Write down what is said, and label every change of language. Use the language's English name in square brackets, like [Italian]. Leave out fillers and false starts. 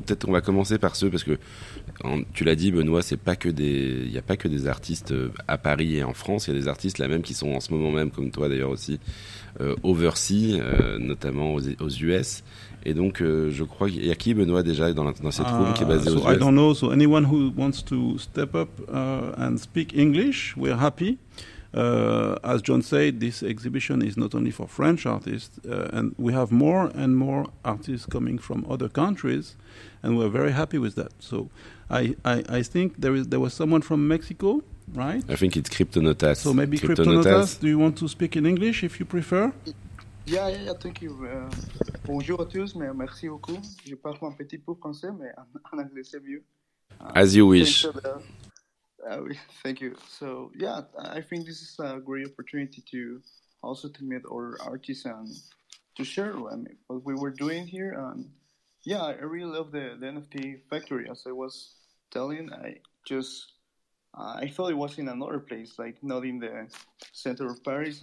[French] Peut-être qu'on va commencer par ceux, parce que tu l'as dit, Benoît, c'est pas que des, il n'y a pas que des artistes à Paris et en France. Il y a des artistes là même qui sont en ce moment même, comme toi d'ailleurs aussi, overseas, notamment aux US. Et donc, je crois qu'il y a qui, Benoît, déjà dans cette room qui est basée aux US. [English] I don't know. So anyone who wants to step up and speak English, we're happy. As John said, this exhibition is not only for French artists, and we have more and more artists coming from other countries, and we're very happy with that. So I think there was someone from Mexico, right? I think it's Kryptonotas. So maybe Kryptonotas, do you want to speak in English if you prefer? Yeah, thank you. [French] Bonjour à tous, mais merci beaucoup. Je parle un petit peu français, mais en anglais c'est mieux. [English] As you wish. Thank you. So yeah, I think this is a great opportunity to also to meet our artists and to share what we were doing here. And yeah, I really love the NFT Factory. As I was telling, I felt it was in another place, like not in the center of Paris.